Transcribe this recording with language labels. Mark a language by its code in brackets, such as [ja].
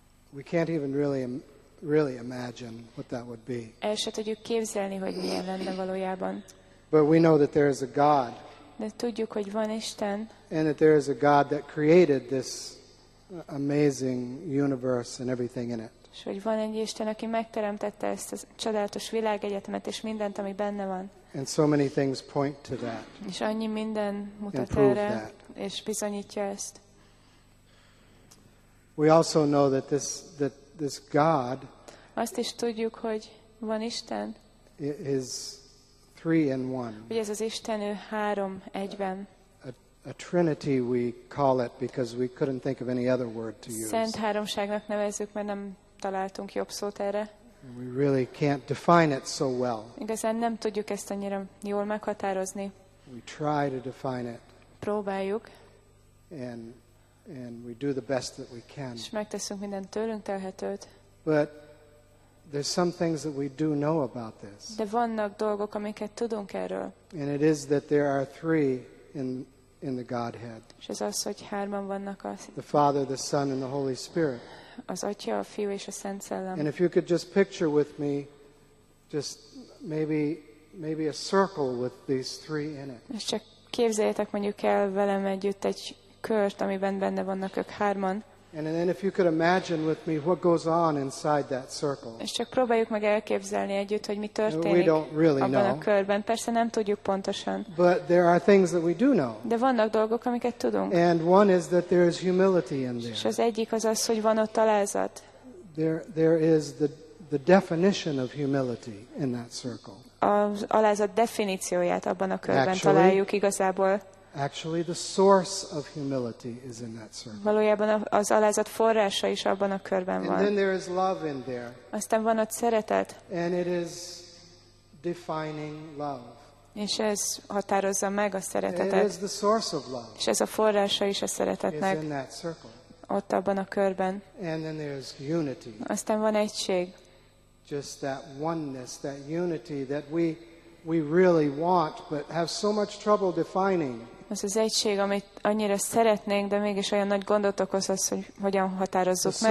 [en] We can't even really imagine what that would be. [hu] El se tudjuk képzelni, hogy milyen lenne valójában. [en] But we know that there is a God. [hu] De tudjuk, hogy van Isten. [en] And that there is a God that created this amazing universe and everything in it. [hu] És hogy van egy Isten, aki megteremtette ezt a csodálatos világegyetemet és mindent, ami benne van. [en] And so many things point to that. [hu] És annyi minden mutat erre, és bizonyítja ezt. [en] We also know that this God. [hu] Azt is tudjuk, hogy van Isten. [en] Is three in one. [hu] Hogy ez az Isten, ő három egyben. [en] A Trinity we call it because we couldn't think of any other word to use. [hu] Szent háromságnak nevezzük, mert nem találtunk jobb szót erre. [en] We really can't define it so well. [hu] Igazán nem tudjuk ezt annyira jól meghatározni. [en] We try to define it. [hu] Próbáljuk. [en] And we do the best that we can. [hu] És megteszünk mindent tőlünk telhetőt. [en] But there's some things that we do know about this. [hu] De vannak dolgok, amiket tudunk erről. [en] And it is that there are three in the Godhead. [hu] És ez az, hogy hárman vannak a. [en] The Father, the Son, and the Holy Spirit. [hu] Az Atya, a Fiú és a Szent Szellem. [en] And if you could just picture with me, just maybe a circle with these three in it. [hu] És csak képzeljétek mondjuk el velem együtt egy kört, amiben benne vannak ők hárman. [en] And then if you could imagine with me what goes on inside that circle. [hu] És csak próbáljuk meg elképzelni együtt, hogy mi történik. [en] We don't really know. [hu] Abban a körben persze nem tudjuk pontosan. [en] But there are things that we do know. [hu] De vannak dolgok, amiket tudunk. [en] And one is that there is humility in there. [hu] És az egyik az az, hogy van ott alázat. [en] There is the definition of humility in that circle. [hu] Az alázat definícióját abban a körben találjuk igazából. [en] Actually, the source of humility is in that circle. [hu] Valójában az alázat forrása is abban a körben van. [en] And then there is love in there. [hu] Aztán van ott szeretet. [en] And it is defining love. [hu] És ez határozza meg a szeretetet. [en] It is the source of love. [hu] És ez a forrása is a szeretetnek. [en] It's in that circle. [hu] Ott abban a körben. [en] And then there is unity. [hu] Aztán van egység. [en] Just that oneness, that unity that we really want but have so much trouble defining. [hu] Ez az egység, amit annyira szeretnénk, de mégis olyan nagy gondot okoz az, hogy hogyan határozzuk meg.